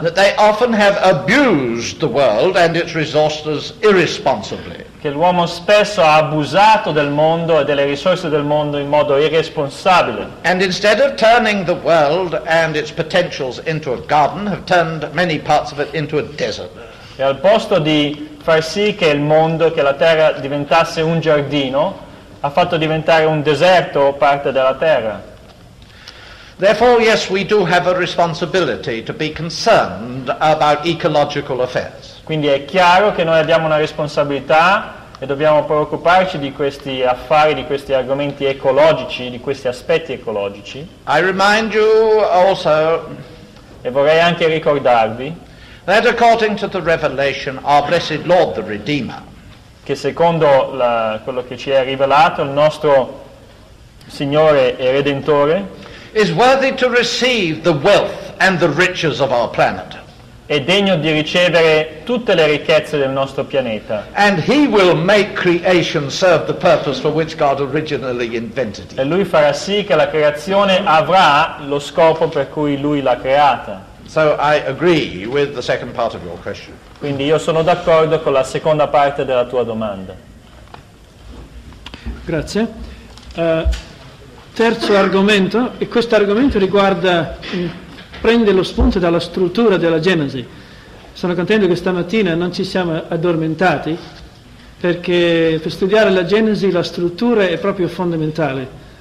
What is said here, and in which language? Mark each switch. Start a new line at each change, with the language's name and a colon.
English: That they often have abused the world and its resources irresponsibly.
Italian: Che l'uomo spesso ha abusato del mondo e delle risorse del mondo in modo irresponsabile.
English: And instead of turning the world and its potentials into a garden, have turned many parts of it into a desert.
Italian: E al posto di far sì che il mondo, che la terra diventasse un giardino, ha fatto diventare un deserto parte della terra.
English: Therefore, yes, we do have a responsibility to be concerned about ecological affairs.
Italian: Quindi è chiaro che noi abbiamo una responsabilità e dobbiamo preoccuparci di questi affari, di questi argomenti ecologici, di questi aspetti ecologici.
English: I remind you also,
Italian: e vorrei anche ricordarvi,
English: that according to the revelation, our blessed Lord the Redeemer,
Italian: che secondo quello che ci è rivelato, il nostro Signore e Redentore,
English: is worthy to receive the wealth and the riches of our planet.
Italian: È degno di ricevere tutte le ricchezze del nostro pianeta.
English: And he will make creation serve the purpose for which God originally invented it.
Italian: E lui farà sì che la creazione avrà lo scopo per cui lui l'ha creata.
English: So I agree with the second part of your question.
Italian: Quindi io sono d'accordo con la seconda parte della tua domanda. Grazie. Terzo argomento, e questo argomento riguarda, prende lo spunto dalla struttura della Genesi. Sono contento che stamattina non ci siamo addormentati, perché per studiare la Genesi la struttura è proprio fondamentale.